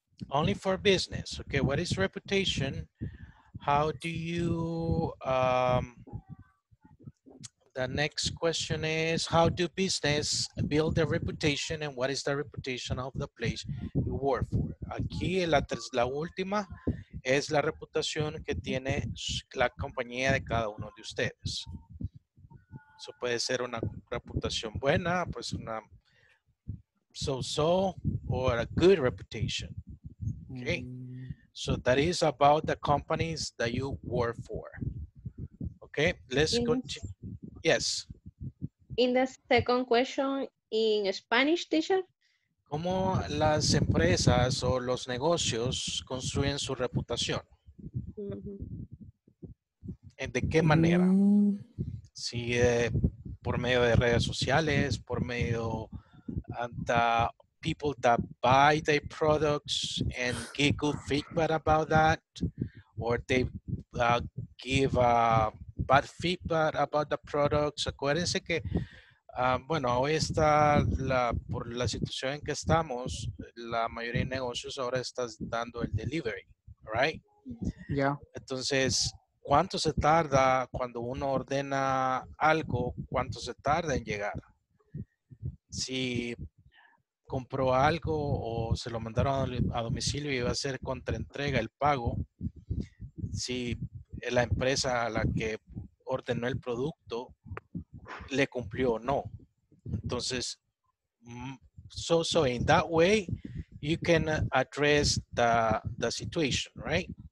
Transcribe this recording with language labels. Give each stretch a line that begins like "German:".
English: Only for business. Okay, what is reputation? How do you, the next question is, how do business build their reputation and what is the reputation of the place you work for?
Spanish: Aquí la última es la reputación que tiene la compañía de cada uno de ustedes. Eso puede ser una reputación buena, pues una
English: so-so or a good reputation, okay? So that is about the companies that you work for. Okay, let's continue. Yes. In the second question in Spanish, teacher.
Spanish: ¿Cómo las empresas o los negocios construyen su reputación? Mm-hmm. ¿De qué manera? Mm-hmm. Si por medio de redes sociales, por medio de
English: people that buy their products and give good feedback about that, or they give bad feedback about the products.
Spanish: Acuérdense que, hoy está por la situación en que estamos, la mayoría de negocios ahora está dando el delivery, right?
English: Yeah.
Spanish: Entonces, ¿cuánto se tarda cuando uno ordena algo? ¿Cuánto se tarda en llegar? Si compró algo o se lo mandaron a domicilio y iba a ser contra entrega el pago, si la empresa a la que ordenó el producto le cumplió o no. Entonces,
English: so in that way, you can address the situation, right?